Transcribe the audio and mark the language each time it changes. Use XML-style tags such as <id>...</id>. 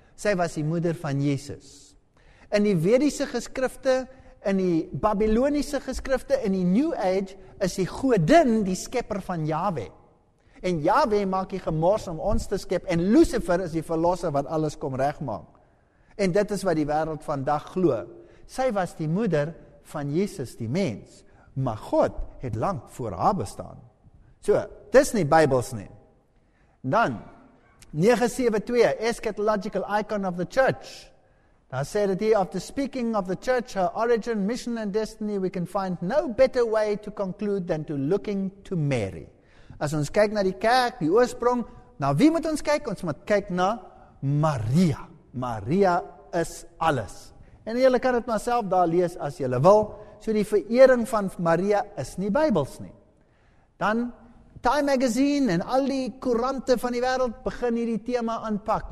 <af>Sy was die moeder van Jesus. In die Vediese geskrifte, in die Babyloniese geskrifte, in die New Age, is die godin die skepper van Yahweh. En Yahweh maak die gemors om ons te skep, en Lucifer is die verlosser wat alles kom regmaak. En dit is wat die wêreld vandag glo. Sy was die moeder van Jesus, die mens. Maar God het lang voor haar bestaan. So, dis nie Bybels nie. Dan, 972,</af> <en>eschatological icon of the church.</en> <af>Dan sê dit hier,</af> <en>after speaking of the church, her origin, mission and destiny, we can find no better way to conclude than to looking to Mary.</en> <af>As ons kyk na die kerk, die oorsprong, na wie moet ons kyk? Ons moet kyk na Maria. Maria is alles. En jylle kan het myself daar lees as jylle wil. So die vereering van Maria is nie Bybels nie. Dan Time Magazine en al die koerante van die wêreld begin hierdie tema aanpak.</af>